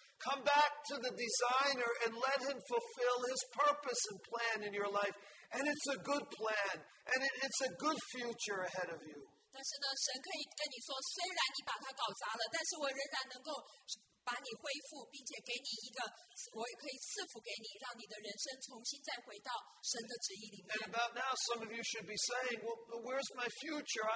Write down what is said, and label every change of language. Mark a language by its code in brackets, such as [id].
[en] Come back to the designer and let him fulfill his purpose and plan in your life. And it's a good plan. And it's a good future ahead of you. [zh] 但是呢，神可以跟你说，虽然你把它搞砸了，但是我仍然能够把你恢复，并且给你一个，我也可以赐福给你，让你的人生重新再回到神的旨意里面。 [en] And about now, some of you should be saying, well, where's my future?